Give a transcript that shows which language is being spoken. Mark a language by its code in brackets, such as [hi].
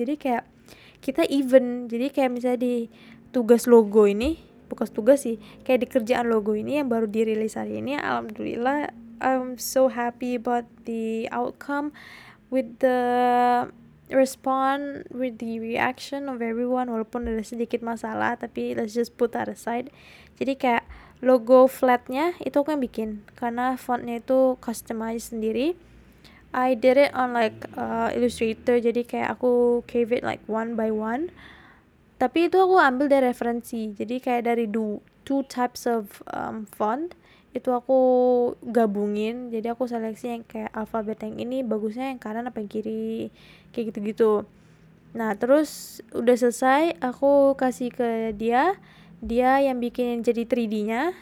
[id] Jadi kayak kita even. Jadi kayak misalnya di tugas logo ini, bukan tugas sih, kayak di kerjaan logo ini yang baru dirilis hari ini, alhamdulillah [en] I'm so happy about the outcome, with the response, with the reaction of everyone, [id] walaupun ada sedikit masalah, tapi [en] let's just put that aside. [id] Jadi kayak logo flatnya itu aku yang bikin, karena fontnya itu customize sendiri. [en] I did it on Illustrator, [id] jadi kayak aku [en] gave it one by one. [id] Tapi itu aku ambil dari referensi, jadi kayak dari [en] two types of font. [id] Itu aku gabungin, jadi aku seleksi yang kayak alfabet yang ini bagusnya yang kanan apa yang kiri, kayak gitu-gitu. Nah, terus udah selesai, aku kasih ke dia, dia yang bikinin jadi 3D-nya.